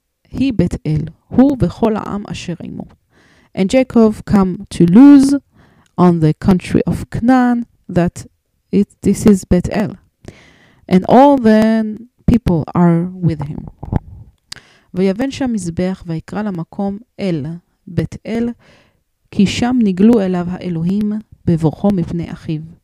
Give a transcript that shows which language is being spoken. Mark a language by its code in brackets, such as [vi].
[he] היא בית אל, הוא וכל העם אשר עמו. [en] And Jacob come to Luz on the country of Canaan, that this is Bet El. And all the people are with him. [he] ויבן שם מזבח ויקרא למקום אל, בית אל, כי שם נגלו אליו האלוהים בבורחו מפני אחיו.